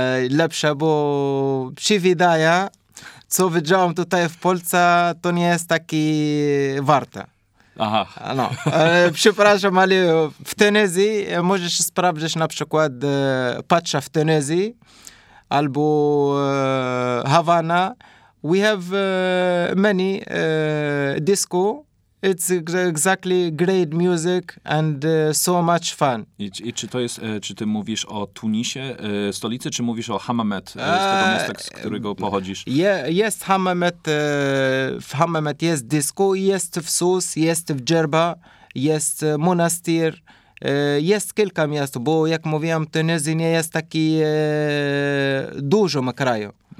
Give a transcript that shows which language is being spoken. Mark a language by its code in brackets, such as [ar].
[pl] Lepsze, bo się wydaje, co widziałem tutaj w Polsce, to nie jest taki warte. Aha. No, przepraszam, ale w Tunezji możesz sprawdzić na przykład patrza w Tunezji albo Havana. [en] We have many disco. It's exactly great music and so much fun. [pl] I czy to jest, czy ty mówisz o Tunisie, stolicy, czy mówisz o Hammamet, z tego miasta, z którego pochodzisz? Jest Hammamet, w Hammamet jest disco, jest w Sus, jest w Djerba, jest monastir, jest kilka miast, bo jak mówiłem, Tunezji nie jest taki dużym kraju.